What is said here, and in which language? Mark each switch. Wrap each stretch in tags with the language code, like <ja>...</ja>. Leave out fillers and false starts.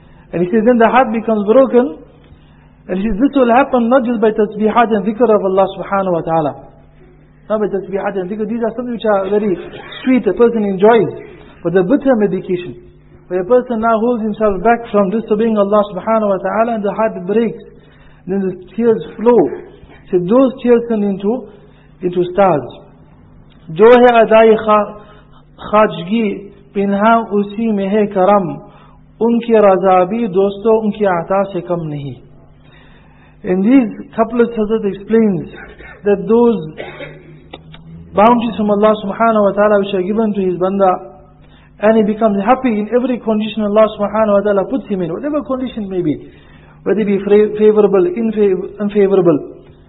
<en>And he says, then the heart becomes broken. And he says, this will happen not just by tasbihat and dhikr of Allah subhanahu wa ta'ala. Not by tasbihat and dhikr. These are something which are very sweet, a person enjoys. But the bitter medication, where a person now holds himself back from disobeying Allah subhanahu wa ta'ala and the heart breaks, then the tears flow. So those tears turn into stars.</en> <ur>جو ہے ادائی خاجگی پنہا اسی میں ہے کرم ان کی رضا بھی دوستو ان کی عطا سے کم نہیں.</ur> <en>In these couplets, Hazrat explains that those bounties from Allah subhanahu wa ta'ala which are given to his banda, and he becomes happy in every condition Allah subhanahu wa ta'ala puts him in, whatever condition may be, whether it be favorable, unfavorable.</en>